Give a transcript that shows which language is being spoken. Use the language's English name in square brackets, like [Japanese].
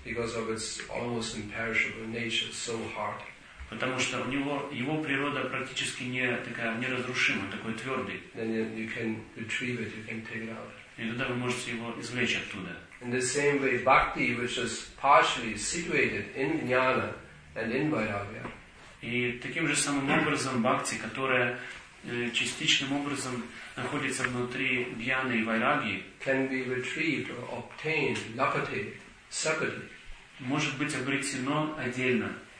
[English] Because of its almost imperishable nature, so hard. [Russian] Потому что у него его природа практически не такая неразрушимая, такой твердый. [English] Then you can retrieve it, you can take it out. [Russian] И тогда вы можете его извлечь оттуда. [English] In the same way, bhakti, which is partially situated in jnana and in vairagya. [Russian] И таким же самым образом бхакти, которая частичным образом находится внутри гьяны и вайраги, [English] can be retrieved or obtained, lapate, separately. [Russian] Может быть обретено отдельно.